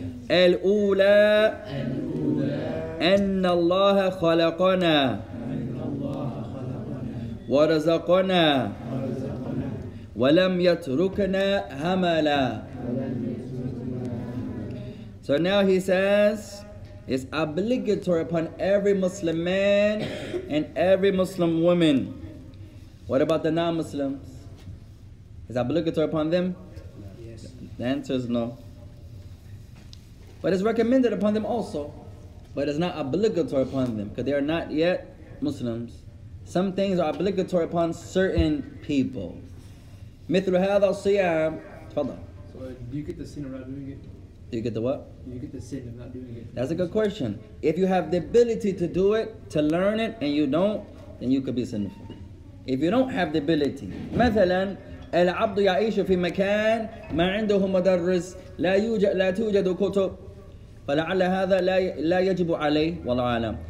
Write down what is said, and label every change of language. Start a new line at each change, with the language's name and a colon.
Arabic: الأولى أن الله خلقنا ورزقنا ولم يتركنا هملا.
English: So now he says, it's obligatory upon every Muslim man and every Muslim woman. What about the non-Muslims? Is it obligatory upon them? Yes. The answer is no. But it's recommended upon them also. But it's not obligatory upon them because they are not yet Muslims. Some things are obligatory upon certain people.
Arabic: مثل هذا الصيام. تفضل.
English: So do you get the sin around doing it? Do you get the what? You get the sin of not doing it. That's a good question. If you have the ability to do it, to learn it, and you don't, then you could be sinful. If you don't have the ability,
Arabic: مثلا العبد يعيش في مكان ما عنده مدرس لا يوجد لا توجد كتب فلعل هذا لا يجب عليه والله أعلم.